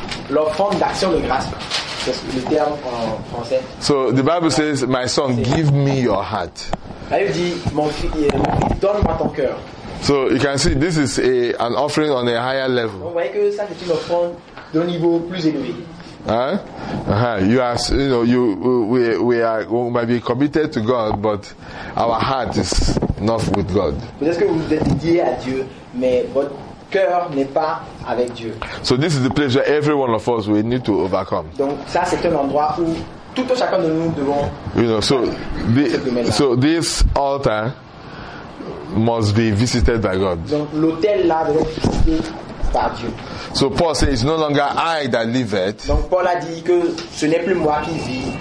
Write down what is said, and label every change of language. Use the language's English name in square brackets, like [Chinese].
[French] L'offrande d'action de grâce, c'est le terme en français. [English] So the Bible says, "My son, give me your heart." [French] Elle dit, mon fils, donne-moi ton cœur. [English] So you can see this is an offering on a higher level. [French] Vous voyez que ça c'est une offrande d'un niveau plus élevé. [English] We might be committed to God, but our heart is not with God. [French] Peut-être que vous êtes dédié à Dieu, mais votre cœur n'est pas avec Dieu. [English] So this is the place where every one of us we need to overcome. [French] Donc ça c'est un endroit où tout chacun de nous devons. [English] You know, so this altar must be visited by God. [French] Donc l'autel là doit être visité. [English] So Paul says it's no longer I that live it. [French] Donc Paul a dit que ce n'est plus moi qui vis,